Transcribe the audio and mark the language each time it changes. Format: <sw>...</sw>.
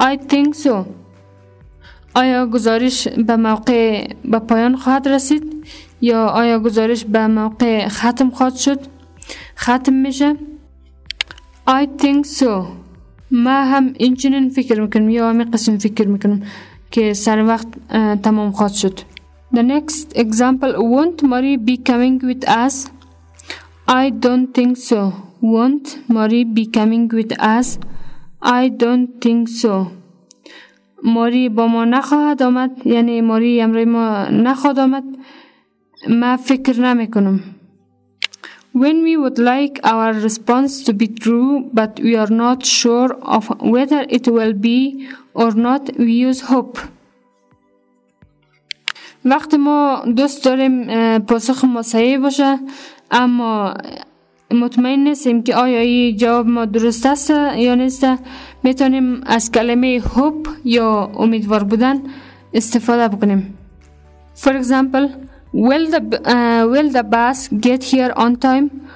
<fa>I think so آیا گزارش به موقع به پایان خواهد رسید یا آیا گزارش به موقع ختم خواهد شد ختم میشه I think so ما هم اینچنین فکر میکنم یا همین قسم فکر میکنم که سر وقت تمام خواهد شد The next example Won't Mary be coming with us?</fa> <en>I don't think so Won't Mary be coming with us? I don't think so Mary با ما نخواهد آمد یعنی Mary امروی ما نخواهد آمد ما فکر نمیکنم When we would like our response to be true, but we are not sure of whether it will be or not, we use hope.</en> <fa>وقت ما دوست داریم پاسخ ما صحیح باشه، اما مطمئن نیستیم که آیا این جواب ما درست است یا نیست. میتونیم از کلمه hope یا امیدوار بودن استفاده بکنیم.</fa> <en>For example, will the bus get here on time?</en>